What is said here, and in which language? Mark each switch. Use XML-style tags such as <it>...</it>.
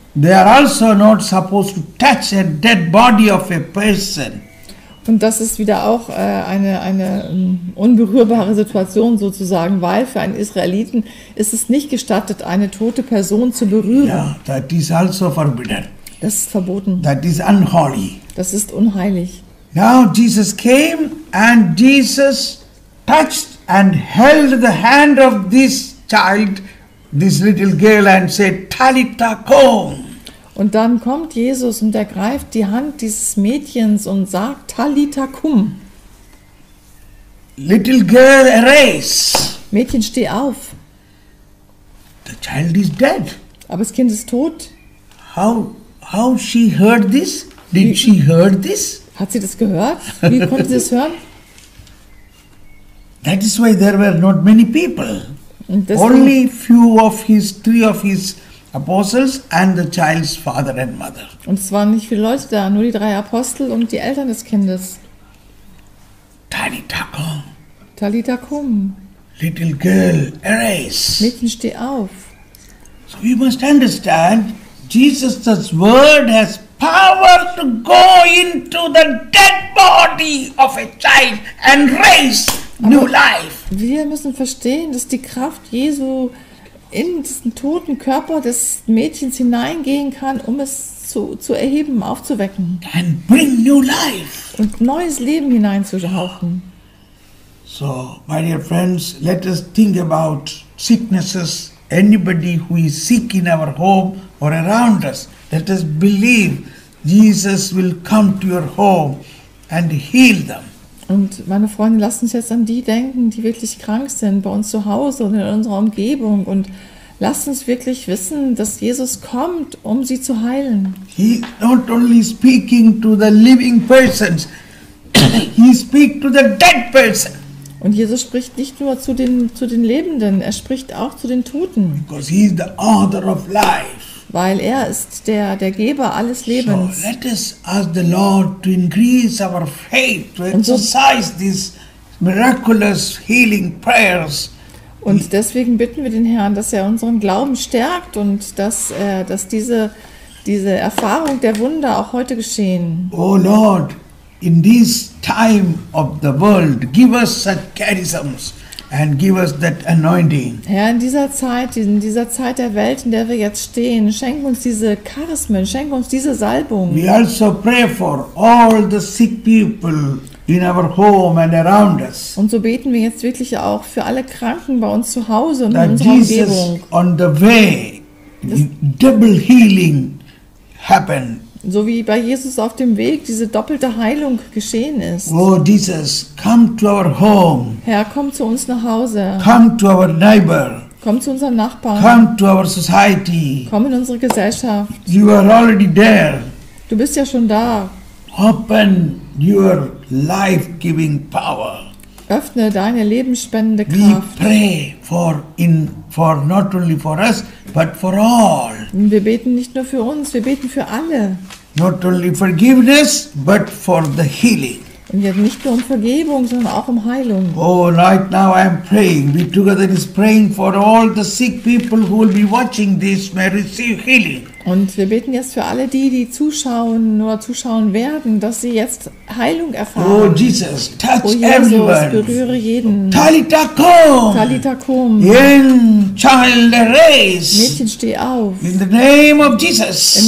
<en>They are also not supposed to touch a dead body of a person.</en> <de>Und das ist wieder auch eine unberührbare Situation sozusagen, weil für einen Israeliten ist es nicht gestattet, eine tote Person zu berühren.</de> <en>Yeah, that is also forbidden.</en> <de>Das ist verboten.</de> <en>That is unholy.</en> <de>Das ist unheilig.</de> <en>Now Jesus came and Jesus touched and held the hand of this child, this little girl, and said,</en> <arc>Talitha kom.</arc> <de>Und dann kommt Jesus und ergreift die Hand dieses Mädchens und sagt,</de> <arc>Talitha kom.</arc> <en>Little girl, arise.</en> <de>Mädchen, steh auf.</de> <en>The child is dead.</en> <de>Aber das Kind ist tot.</de> <en>How she heard this? Did she hear this?</en> <de>Hat sie das gehört? Wie konnte sie das hören?</de> <en>That is why there were not many people. Only few of his, three of his apostles and the child's father and mother.</en> <de>Und es waren nicht viele Leute da, nur die drei Apostel und die Eltern des Kindes.</de> <arc>Talitha kom. Talitha kom.</arc> <en>Little girl, arise.</en> <de>Mädchen, steh auf.</de> <en>So you must understand, Jesus' word has power to go into the dead body of a child and raise new life.</en> <de>Wir müssen verstehen, dass die Kraft Jesu in diesen toten Körper des Mädchens hineingehen kann, um es zu erheben, aufzuwecken.</de> <en>And bring new life.</en> <de>Und neues Leben hineinzuhauchen.</de> <en>So, my dear friends, let us think about sicknesses, anybody who is sick in our home or around us. Let us believe Jesus will come to your home and heal them.</en> <de>Und meine Freunde, lasst uns jetzt an die denken, die wirklich krank sind, bei uns zu Hause und in unserer Umgebung. Und lasst uns wirklich wissen, dass Jesus kommt, um sie zu heilen.</de> <en>He not only speaking to the living persons, he speak to the dead person.</en> <de>Und Jesus spricht nicht nur zu den Lebenden, er spricht auch zu den Toten.</de> <en>Because he is the author of life.</en> <de>Weil er ist der Geber alles Lebens.</de> <en>So let us ask the Lord to increase our faith, to exercise these miraculous healing prayers.</en> <de>Und deswegen bitten wir den Herrn, dass er unseren Glauben stärkt und dass diese Erfahrung der Wunder auch heute geschehen.</de> <en>Oh Lord, in this time of the world, give us such charisms. And give us that anointing.</en> <de>Herr, in dieser Zeit der Welt, in der wir jetzt stehen, schenk uns diese Charismen, schenk uns diese Salbung.</de> <en>We also pray for all the sick people in our home and around us.</en> <de>Und so beten wir jetzt wirklich auch für alle Kranken bei uns zu Hause und</de> <en>that</en> <de>in unserer Umgebung.</de> <en>Jesus on the way, double healing happen.</en> <de>So wie bei Jesus auf dem Weg diese doppelte Heilung geschehen ist.</de> <en>Oh Jesus, come to our home.</en> <de>Herr, komm zu uns nach Hause.</de> <en>Come to our neighbor.</en> <de>Komm zu unserem Nachbarn.</de> <en>Come to our society.</en> <de>Komm in unsere Gesellschaft.</de> <en>You are already there.</en> <de>Du bist ja schon da.</de> <en>Open your life-giving power.</en> <de>Öffne deine lebensspendende Kraft.</de> <en>We pray for not only for us, but for all.</en> <de>Wir beten nicht nur für uns, wir beten für alle.</de> <en>Not only forgiveness, but for the healing.</en> <de>Und jetzt nicht nur um Vergebung, sondern auch um Heilung.</de> <en>Oh, right now I am praying. We together is praying for all the sick people who will be watching this may receive healing.</en> <de>Und wir beten jetzt für alle die zuschauen oder zuschauen werden, dass sie jetzt Heilung erfahren.</de> <en>Oh Jesus, touch oh, Jesus, everyone.</en> <de>Berühre jeden.</de> <arc>Talita kum. Talita kum.</arc> <en>Young child arise.</en> <de>Mädchen, steh auf.</de> <en>In the name of Jesus.</en>